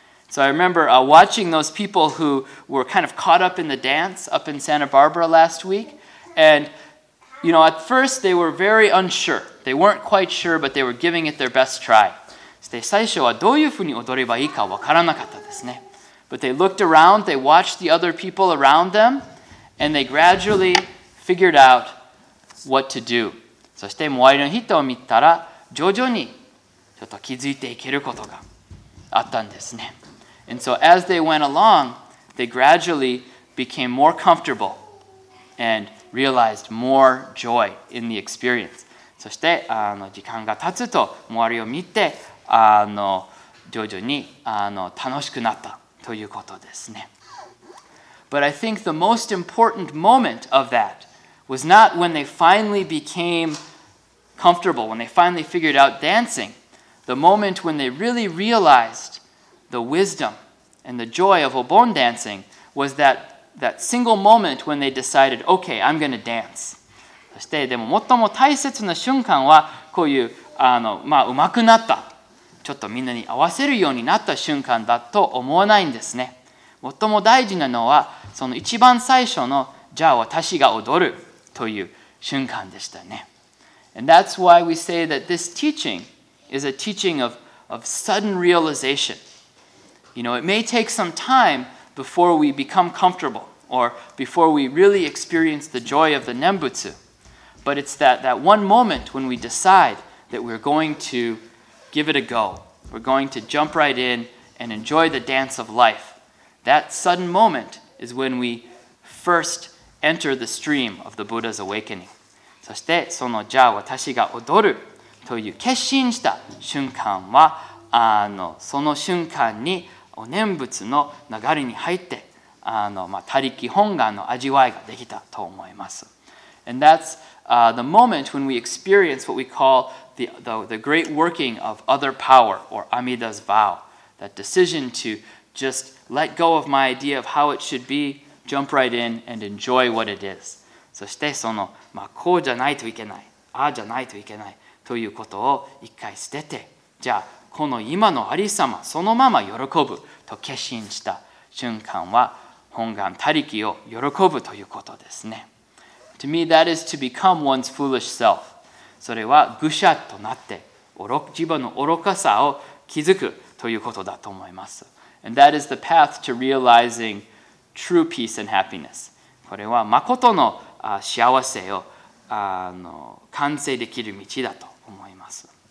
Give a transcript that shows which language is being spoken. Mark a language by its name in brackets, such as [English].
[English] So I remember watching those people who were kind of caught up in the dance up in Santa Barbara last week. And, you know, at first they were very unsure. They weren't quite sure, but they were giving it their best try. [Japanese] そして最初はどういうふうに踊ればいいかわからなかったですね。 [English] But they looked around, they watched the other people around them, and they gradually figured out what to do. [Japanese] そして周りの人を見たら徐々にちょっと気づいていけることが。あったんですね。 [English] And so as they went along, they gradually became more comfortable and realized more joy in the experience. [Japanese] そして時間が経つと周りを見て徐々に楽しくなったということですね。 [English] But I think the most important moment of that was not when they finally became comfortable, when they finally figured out dancing. The moment when they really realized the wisdom and the joy of Obon dancing was that single moment when they decided, okay, I'm going to dance. [Japanese] そしてでも最も大切な瞬間はこういう上手くなった。ちょっとみんなに合わせるようになった瞬間だと思わないんですね。最も大事なのはその一番最初のじゃあ私が踊るという瞬間でしたね。 [English] And that's why we say that this teaching is a teaching of sudden realization. You know, it may take some time before we become comfortable or before we really experience the joy of the Nembutsu. But it's that one moment when we decide that we're going to give it a go. We're going to jump right in and enjoy the dance of life. That sudden moment is when we first enter the stream of the Buddha's awakening. [Japanese] そしてそのじゃあ私が踊るという決心した瞬間はその瞬間にお念仏の流れに入って他力本願の味わいができたと思います。 [English] And that'sthe moment when we experience what we call the great working of other power or Amida's vow, that decision to just let go of my idea of how it should be, jump right in and enjoy what it is. [Japanese] そしてこうじゃないといけない、ああじゃないといけないということを一回捨てて、じゃあこの今のありさまそのまま喜ぶと決心した瞬間は本願他力を喜ぶということですね。 [English] To me, that is to become one's foolish self. [Japanese] それは愚者となって自分の愚かさを気づくということだと思います。 [English] And that is the path to realizing true peace and happiness. [Japanese] これは誠の幸せを完成できる道だと思います。